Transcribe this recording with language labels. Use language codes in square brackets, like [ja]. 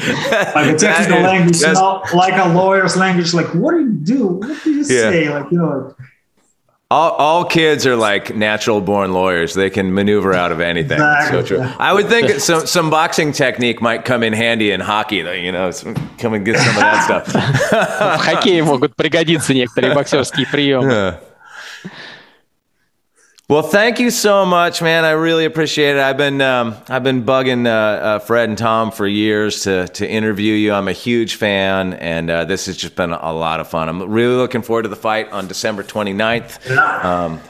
[en] Like a technical language, yes. Not like a lawyer's language. Like, what do you do? What do you say? Yeah. All kids are like natural born lawyers. They can maneuver out of anything. Exactly. So true. I would think some boxing technique might come in handy in hockey, though, you know, come and get some of that stuff. [ru] В хоккее могут пригодиться некоторые боксерские приемы. [en] Well, thank you so much, man. I really appreciate it. I've been bugging Fred and Tom for years to interview you. I'm a huge fan, and this has just been a lot of fun. I'm really looking forward to the fight on December 29th.